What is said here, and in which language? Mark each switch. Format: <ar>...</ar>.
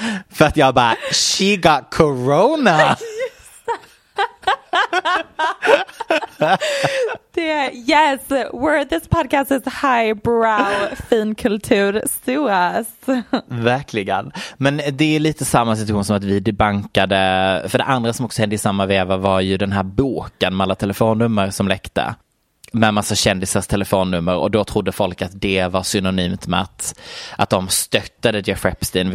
<sv>För att jag bara,</sv> <en>she got corona. Det, yes, where this podcast is highbrow, finkultur, sue us.</en> <sv>Verkligen. Men det är lite samma situation som att vi debankade. För det andra som också hände i samma veva var ju den här boken med alla telefonnummer som läckte. Med massa kändisars telefonnummer. Och då trodde folk att det var synonymt med att de stöttade Jeff Epstein.</sv>